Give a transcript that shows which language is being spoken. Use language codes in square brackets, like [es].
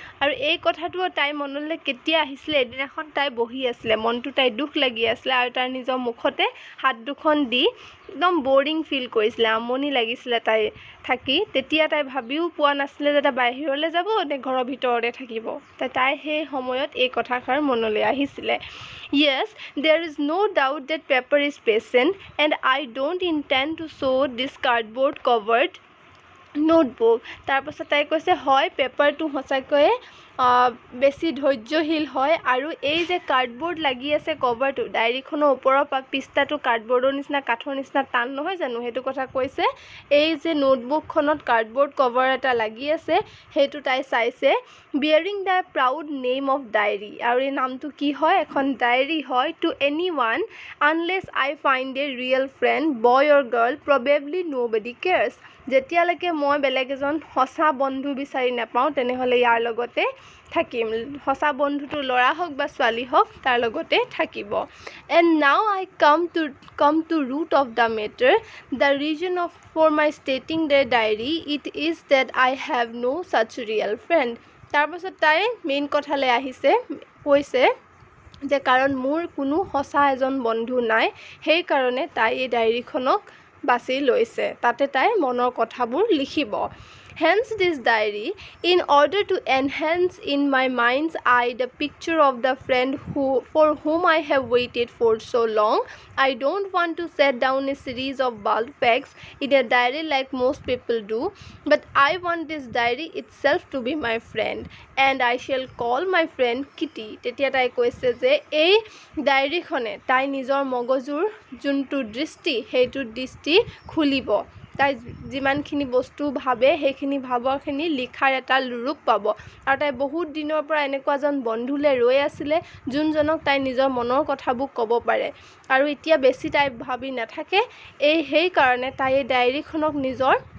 [as] আৰু এই কথাটো তাই মনলৈ কেতিয়া আহিছিলে, এদিনাখন তাই বহি আছিলে, মনটো তাই দুখ লাগি আছিলে আৰু তাইৰ নিজৰ মুখতে হাত দুখন দি একদম বৰিং ফিল কৰিছিলে, আমনি লাগিছিলে তাই থাকি। তেতিয়া তাই ভাবিও পোৱা নাছিলে যে তাই বাহিৰলৈ যাব নে ঘৰৰ ভিতৰতে থাকিব। তাই সেই সময়ত এই কথাষাৰ মনলৈ আহিছিলে। [en] Yes, there is no doubt that paper is patient and I don't intend to show this cardboard covered notebook. [as] তাৰ পাছত তাই কৈছে হয় পেপাৰটো সঁচাকৈয়ে বেছি ধৈৰ্যশীল হয় আৰু এই যে কাৰ্ডবৰ্ড লাগি আছে কভাৰটো, ডায়েৰীখনৰ ওপৰৰ পৃষ্ঠাটো কাৰ্ডবৰ্ডৰ নিচিনা কাঠৰ নিচিনা টান নহয় জানো, সেইটো কথা কৈছে। এই যে নোটবুকখনত কাৰ্ডবৰ্ড কভাৰ এটা লাগি আছে সেইটো তাই চাইছে। [en] bearing the proud name of diary, [as] আৰু এই নামটো কি হয়, এখন ডায়েৰী হয়, [en] To any one unless I find a real friend boy or girl probably nobody cares. [as] যেতিয়ালৈকে মই বেলেগ এজন সঁচা বন্ধু বিচাৰি নাপাওঁ তেনেহ'লে ইয়াৰ লগতে থাকিম, সঁচা বন্ধুটো ল'ৰা হওক বা ছোৱালী হওক তাৰ লগতে থাকিব। [en] And now I come to root of the matter, the reason of for my stating the diary it is that I have no' such real friend. [as] তাৰপাছত তাই মেইন কথালৈ আহিছে, কৈছে যে কাৰণ মোৰ কোনো সঁচা এজন বন্ধু নাই, সেইকাৰণে তাই এই ডায়েৰীখনক বাছি লৈছে, তাতে তাই মনৰ কথাবোৰ লিখিব। [en] Hence this diary, in order to enhance in my mind's eye the picture of the friend who for whom I have waited for so long, I don't want to set down a series of bald facts in a diary like most people do, but I want this diary itself to be my friend, and I shall call my friend Kitty. [as] তেতিয়া তাই কৈছে যে এই ডায়েরিখনে তাই নিজৰ মগজুৰ যোনটো দৃষ্টি সেইটো দৃষ্টি খুলিব তাই যিমানখিনি বস্তু ভাবে সেইখিনি ভাবৰখিনি লিখাৰ এটা ৰূপ পাব আৰু তাই বহুত দিনৰ পৰা এনেকুৱা এজন বন্ধুলে ৰৈ আছিলে যোনজনক তাই নিজৰ মনৰ কথাবোৰ ক'ব পাৰে আৰু এতিয়া বেছি তাই ভাবি নাথাকে এই সেইকাৰণে তাই এই ডায়েৰিখনক নিজৰ